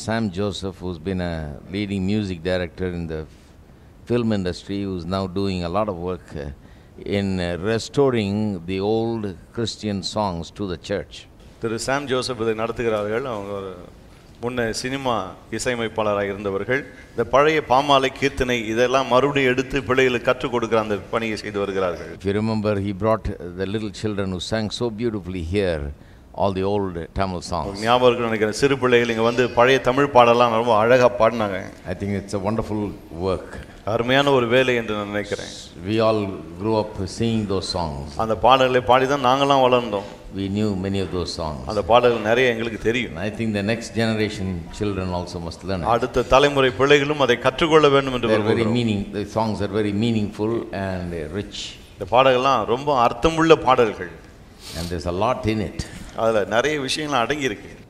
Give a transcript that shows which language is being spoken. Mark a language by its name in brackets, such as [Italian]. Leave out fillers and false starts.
[English] Sam Joseph, who's been a leading music director in the film industry, who's now doing a lot of work in restoring the old Christian songs to the church. [Tamil] Thiru Sam Joseph இதை நடத்துகிறார்கள். அவங்க ஒரு முன்ன cinema இசையமைப்பாளராக இருந்தவர்கள். இந்த பழைய பாமாலை கீர்த்தனை இதெல்லாம் மறுபடியும் எடுத்து பிள்ளைகளுக்கு கற்றுக் கொடுக்குற அந்த பணியை செய்து வருகிறார்கள். [English] If you remember, he brought the little children who sang so beautifully here all the old Tamil songs. [Tamil] ஞாபகம் இருக்கு, சிறு பிள்ளைகள் இங்கே வந்து பழைய தமிழ் பாடலாம் ரொம்ப அழகாக பாடினாங்க. [English] I think it's a wonderful work. [Tamil] அருமையான ஒரு வேலை என்று நான் நினைக்கிறேன். [English] We all grew up singing those songs. [Tamil] அந்த பாடல்களை பாடி தான் நாங்கெல்லாம் வளர்ந்தோம். [English] We knew many of those songs. [Tamil] அந்த பாடல்கள் நிறைய எங்களுக்கு தெரியும். [English] I think the next generation children also must learn it. [Tamil] அடுத்த தலைமுறை பிள்ளைகளும் அதை கற்றுக்கொள்ள வேண்டும் என்று விரும்புகிறேன். [English] Very meaning, the songs are very meaningful and rich. [Tamil] இந்த பாடல்கள்லாம் ரொம்ப அர்த்தமுள்ள பாடல்கள். [English] And there's a lot in it. [Tamil] அதுல நிறைய விஷயங்கள் அடங்கி இருக்கு.